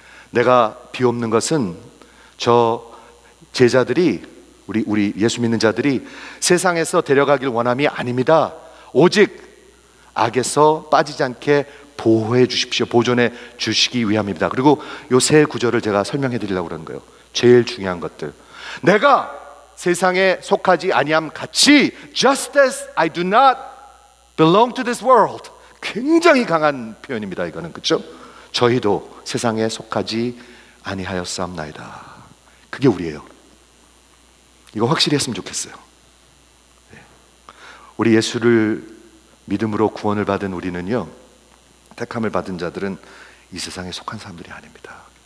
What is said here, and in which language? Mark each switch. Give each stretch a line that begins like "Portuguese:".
Korean: 내가 비 없는 것은 저 제자들이 우리 예수 믿는 자들이 세상에서 데려가길 원함이 아닙니다. 오직 악에서 빠지지 않게 보호해 주십시오. 보존해 주시기 위함입니다. 그리고 요 세 구절을 제가 설명해 드리려고 그러는 거예요. 제일 중요한 것들. 내가 세상에 속하지 아니함 같이
English: just as I do not belong to this world.
Korean: 굉장히 강한 표현입니다. 이거는 그렇죠? 저희도 세상에 속하지 아니하였사옵나이다. 그게 우리예요. 이거 확실히 했으면 좋겠어요. 우리 예수를 믿음으로 구원을 받은 우리는요, 택함을 받은 자들은 이 세상에 속한 사람들이 아닙니다.